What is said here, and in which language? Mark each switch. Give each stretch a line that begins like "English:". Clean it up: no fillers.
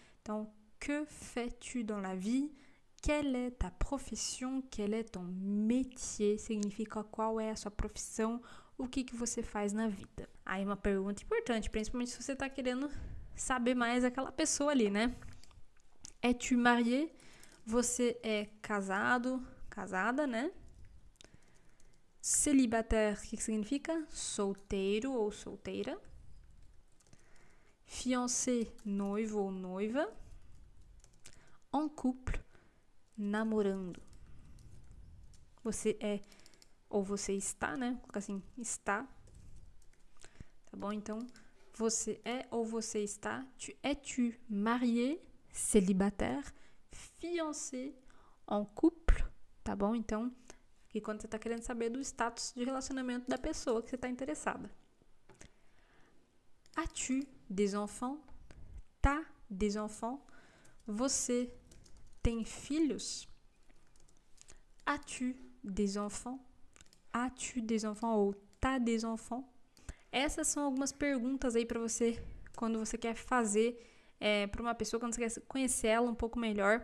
French: Então, que fais-tu dans la vie? Quelle est ta profession? Quel est ton métier?
Portuguese: Significa qual é a sua profissão? O que que você faz na vida? Aí uma pergunta importante, principalmente se você está querendo saber mais aquela pessoa ali, né?
French: Es-tu marié?
Portuguese: Você é casado, casada, né?
French: Célibataire,
Portuguese: o que que significa? Solteiro ou solteira.
French: Fiancé,
Portuguese: noivo ou noiva.
French: En couple,
Portuguese: namorando. Você é ou você está, né? Vou colocar assim, está. Tá bom? Então, você é ou você está.
French: Tu es-tu marié, célibataire, fiancé, en couple.
Portuguese: Tá bom? Então, aqui quando você está querendo saber do status de relacionamento da pessoa que você está interessada.
French: As-tu des enfants? T'as des enfants?
Portuguese: Você tem filhos?
French: As-tu des enfants? As-tu des enfants ou t'as des enfants?
Portuguese: Essas são algumas perguntas aí para você quando você quer fazer para uma pessoa, quando você quer conhecer ela um pouco melhor.